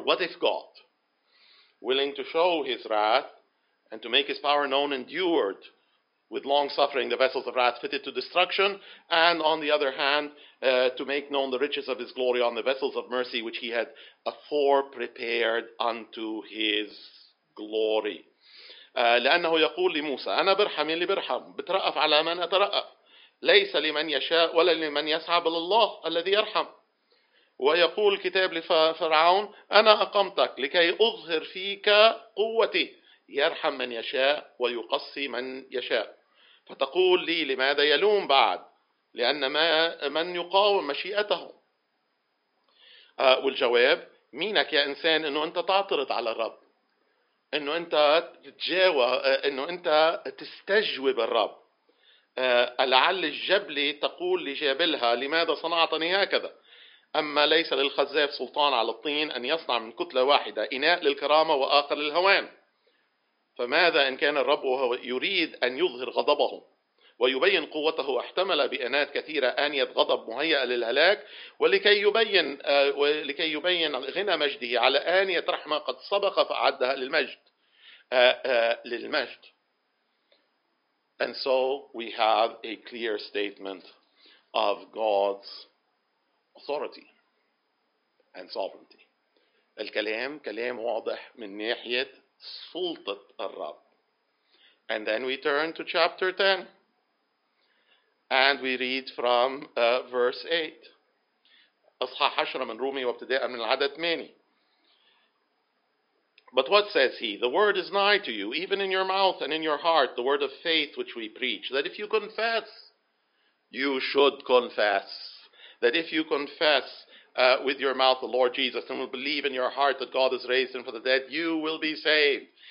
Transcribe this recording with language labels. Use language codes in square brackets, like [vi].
[en] What if God, willing to show his wrath and to make his power known, endured with long suffering the vessels of wrath fitted to destruction, and on the other hand, to make known the riches of his glory on the vessels of mercy which he had afore prepared unto his glory. [ar] لأنه يقول لموسى أنا برحم اللي برحم، بترأف على من أترأف، ليس لمن يشاء ولا لمن يسعى، بل الله الذي يرحم. ويقول الكتاب لفرعون أنا أقمتك لكي أظهر فيك قوتي، يرحم من يشاء ويقصي من يشاء. فتقول لي لماذا يلوم بعد؟ لأن ما من يقاوم مشيئته. والجواب مينك يا إنسان أنه أنت تعترض على الرب، انه انت تتجاوز، انه انت تستجوب الرب. لعل الجبل تقول لجابلها لماذا صنعتني هكذا، اما ليس للخزاف سلطان على الطين ان يصنع من كتله واحده اناء للكرامه واخر للهوان؟ فماذا ان كان الرب هو يريد ان يظهر غضبه ويبين قوته، احتمل بانات كثيره انيه غضب مهيئه للهلاك، ولكي يبين غنى مجده على انيه رحمه قد سبق فعدها للمجد. [en] And so we have a clear statement of God's authority and sovereignty. [ar] الكلام كلام واضح من ناحيه سلطه الرب. [en] And then we turn to chapter 10. And we read from verse 8. [ar] أصحاح 10 من رومي وابتداء من العدد 8. [en] But what says he? The word is nigh to you, even in your mouth and in your heart, the word of faith which we preach, that if you confess, you should confess. That if you confess with your mouth the Lord Jesus and will believe in your heart that God has raised him from the dead, you will be saved.